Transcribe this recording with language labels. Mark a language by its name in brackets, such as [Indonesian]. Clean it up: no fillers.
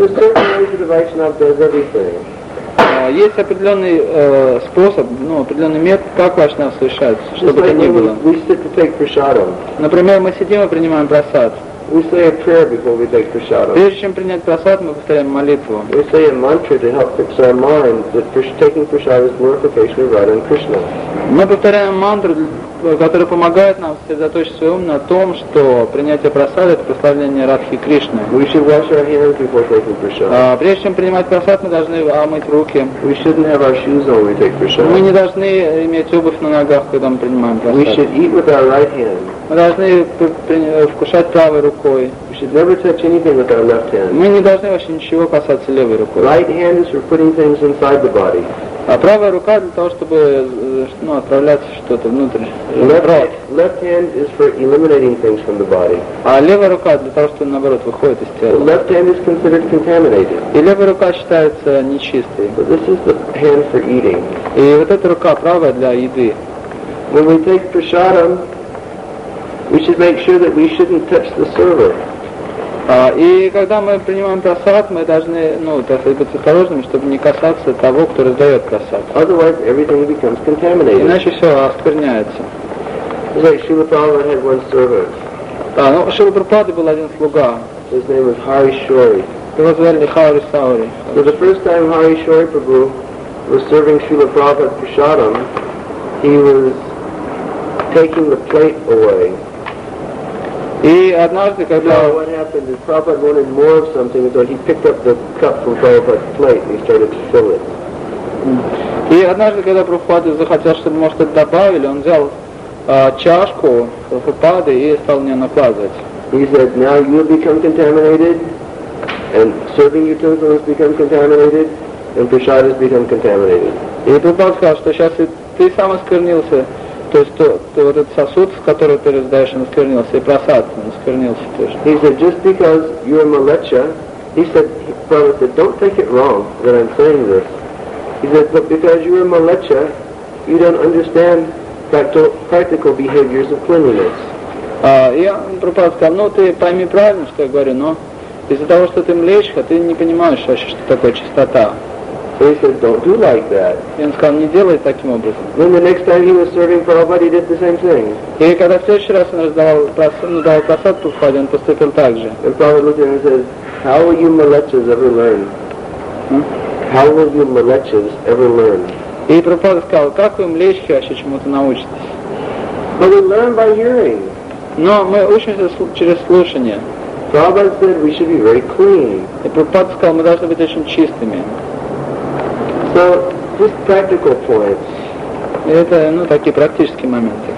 [English] There's certain ways that a Vaishnav does everything. [Russian] Есть определенный способ, определенный метод, как Вайшнав совершает, что бы то ни было. [English] We sit to take prasadam. [Russian] Например, мы сидим и принимаем прасад. [English] We say a prayer before we take prasadam. [Russian] Прежде чем принять прасад, мы повторяем молитву. [English] We say a mantra to help fix our mind that taking prasadam is glorification of Radha and Krishna. [Russian] Мы повторяем мантру, которая помогает нам сосредоточить свой ум на том, что принятие прасада — это прославление Радхи Кришны. [English] We should wash our hands before taking prasadam. [Russian] Прежде чем принимать прасад, мы должны омыть руки. [English] We shouldn't have our shoes when we take prasadam. [Russian] Мы не должны иметь обувь на ногах, когда мы принимаем прасад. [English] We should eat with our right hand. [Russian] Мы должны вкушать правой рукой. [English] We should never touch anything with our left hand. [Russian] Мы не должны вообще ничего касаться левой рукой. [English] Right hand is for putting things inside the body. [Russian] А правая рука для того, чтобы отправлять что-то внутрь. [English] Left hand is for eliminating things from the body. [Russian] А левая рука для того, чтобы наоборот выходит из тела. [English] Left hand is considered contaminated. [Russian] И левая рука считается нечистой. [English] But this is the hand for eating. [Russian] И вот эта рука правая для еды. [English] When we take prasadam, we should make sure that we shouldn't touch the server. [Russian] И когда мы принимаем прасад, мы должны, быть осторожными, чтобы не касаться того, кто раздает прасад. [English] Otherwise, everything becomes contaminated. [Russian] Иначе все оскверняется. [English] Like Srila Prabhupada had one servant. [Russian] Srila Prabhupada был один слуга. [English] His name was Hari Shori. [Russian] Его звали Хари Саури. [English] So the first time Hari Shori Prabhu was serving Srila Prabhupada prasadam, he was taking the plate away. [Russian] И однажды, когда... [English] No, what happened is Prabhupada wanted more of something, so he picked up the cup from Prabhupada's plate and he started to fill it. [Russian] И однажды, когда Прабхупада захотел, чтобы ему что-то добавили, он взял чашку Прабхупады и стал мне накладывать. [English] He said, now you'll become contaminated, and serving utensils become contaminated, and prasadas become contaminated. [Russian] И Прабхупада сказал, что сейчас ты сам осквернился. То есть то вот этот сосуд, который ты раздаешь, он осквернился, и просад он осквернился тоже. [English] He said, just because you're malecha, he said, Prabhupada said, don't take it wrong that I'm saying this. He said, but because you're malecha, you don't understand practical behaviors of cleanliness. [Russian] Прабхупада сказал, ты пойми правильно, что я говорю, но из-за того, что ты млечха, ты не понимаешь вообще, что такое чистота. [English] So he said, don't do like that. [Russian] И он сказал, не делай таким образом. [English] Then the next time he was serving Prabhupada, he did the same thing. [Russian] И когда в следующий раз он раздавал просад Прабхупаде, он поступил так же. [English] And Prabhupada looked at him and said, how will you malechas ever learn? How will you malechas ever learn? [Russian] И Прабхупада сказал, как вы млечки вообще чему-то научитесь? [English] But we learn by hearing. [Russian] Но мы учимся через слушание. [English] Prabhupada said, we should be very clean. [Russian] И Прабхупада сказал, мы должны быть очень чистыми. [English] So, just practical points. [Russian] Это, такие практические моменты.